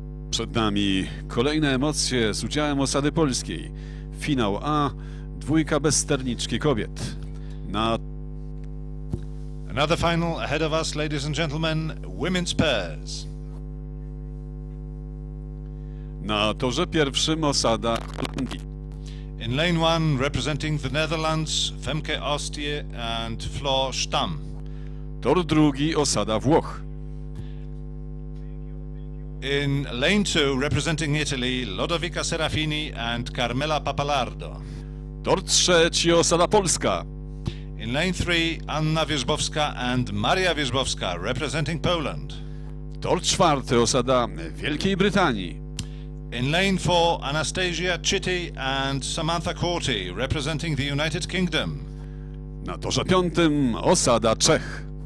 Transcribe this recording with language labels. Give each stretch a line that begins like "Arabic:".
Polish: Przed nami kolejne emocje z udziałem osady polskiej. Finał A, dwójka bez sterniczki kobiet. Na...
English: Another final ahead of us, ladies and gentlemen, women's pairs.
Polish: Na torze pierwszym osada Holandii.
English: In lane one, representing the Netherlands, Femke Ostie and Flor Stam.
Polish: Tor drugi osada Włoch.
English: In lane two, representing Italy, Lodovica Serafini and Carmela Papalardo.
Polish: Tor trzeci osada Polska.
English: In lane three, Anna Wierzbowska and Maria Wierzbowska, representing Poland.
Polish: Tor czwarty osada Wielkiej Brytanii.
English: In lane four, Anastasia Chitty and Samantha Courty, representing the United Kingdom.
Polish: Na torze piątym osada Czech.